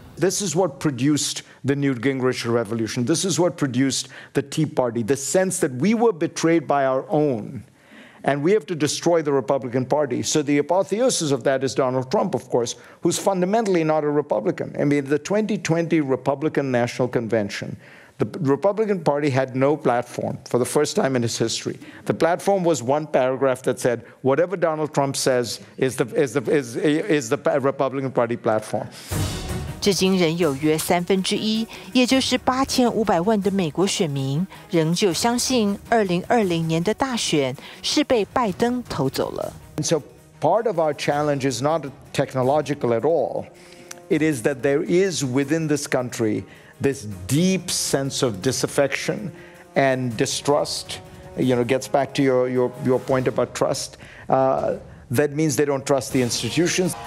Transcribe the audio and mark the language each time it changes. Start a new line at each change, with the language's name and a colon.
English: This is what produced the Newt Gingrich revolution. This is what produced the Tea Party, the sense that we were betrayed by our own, and we have to destroy the Republican Party. So the apotheosis of that is Donald Trump, of course, who's fundamentally not a Republican. I mean, the 2020 Republican National Convention, the Republican Party had no platform for the first time in its history. The platform was one paragraph that said, whatever Donald Trump says is the Republican Party platform.
Chinese: 至今仍有约三分之一，也就是8500万的美国选民，仍旧相信2020年的大选是被拜登偷走了。
English: And so part of our challenge is not technological at all. It is that there is within this country this deep sense of disaffection and distrust. You know, gets back to your point about trust. That means they don't trust the institutions.